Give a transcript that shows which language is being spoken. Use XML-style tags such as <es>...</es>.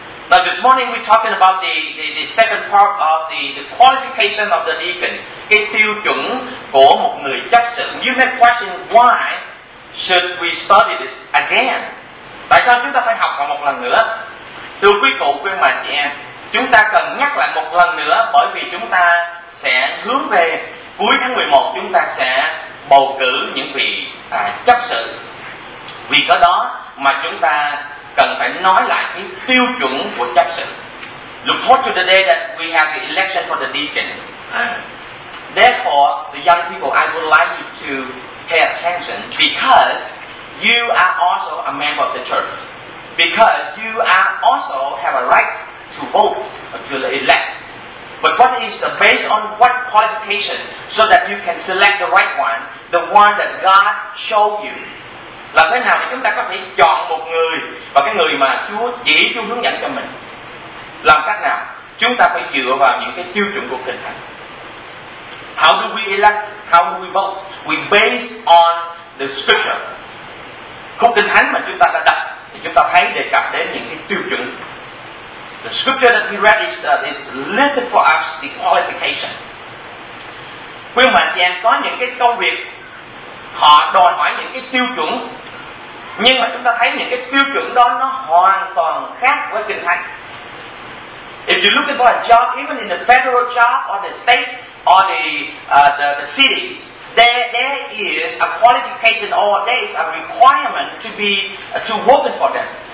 <en>Now this morning we're talking about the second part of the qualification of the deacon.</en> <vi>Cái tiêu chuẩn của một người chấp sự.</vi> <en>You may question why should we study this again?</en> <vi>Tại sao chúng ta phải học lại một lần nữa? Thưa quý cụ, quý ông bà chị em, chúng ta cần nhắc lại một lần nữa bởi vì chúng ta sẽ hướng về cuối tháng 11 chúng ta sẽ bầu cử những vị chấp sự. Vì có đó mà chúng ta cần phải nói lại cái tiêu chuẩn của chấp sự.</vi> <en>Look forward to the day that we have the election for the deacons. Therefore, the young people, I would like you to pay attention because you are also a member of the church. Because you are also have a right to vote, to elect. But what is the base on what qualification so that you can select the right one, the one that God showed you?</en> <vi>Làm thế nào để chúng ta có thể chọn một người và cái người mà Chúa chỉ, Chúa hướng dẫn cho mình? Làm cách nào? Chúng ta phải dựa vào những cái tiêu chuẩn của Kinh Thánh.</vi> <en>How do we elect? How do we vote? We base on the scripture.</en> <vi>Khúc Kinh Thánh mà chúng ta đã đọc thì chúng ta thấy đề cập đến những cái tiêu chuẩn.</vi> <en>The scripture that we read is listed for us the qualification.</en> <vi>Quý ông bà chị em, có những cái công việc họ đòi hỏi những cái tiêu chuẩn, nhưng mà chúng ta thấy những cái tiêu chuẩn đó nó hoàn toàn khác với Kinh Thánh.</vi> <en>If you're looking for a job, even in the federal job or the state or the cities, there is a qualification or there is a requirement to work for them.</en>